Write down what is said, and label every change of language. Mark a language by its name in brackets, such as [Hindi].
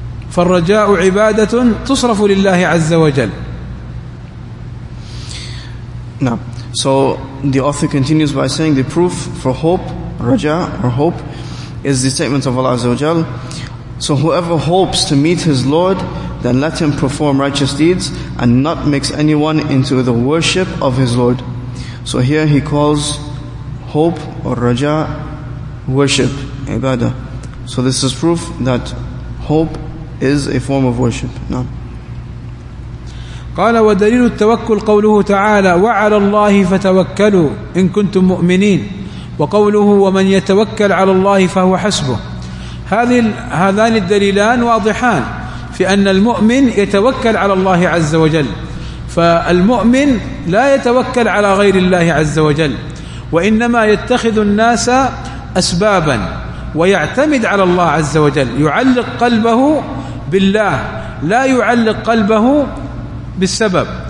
[Arabic] فالرجاء عبادة تصرف لله عز وجل. [English] Now. So the author continues by saying the proof for hope, raja or hope, is the statement of Allah Azza wa Jal. So whoever hopes to meet his Lord, then let him perform righteous deeds and not mix anyone into the worship of his Lord. So here he calls hope or raja worship, ibadah. So this is proof that hope is a form of worship. Now. [Arabic] قال ودليل التوكل قوله تعالى وعلى الله فتوكلوا إن كنتم مؤمنين. وقوله ومن يتوكل على الله فهو حسبه. هذان الدليلان واضحان في أن المؤمن يتوكل على الله عز وجل، فالمؤمن لا يتوكل على غير الله عز وجل، وإنما يتخذ الناس أسبابا ويعتمد على الله عز وجل، يعلق قلبه بالله لا يعلق قلبه بالسبب.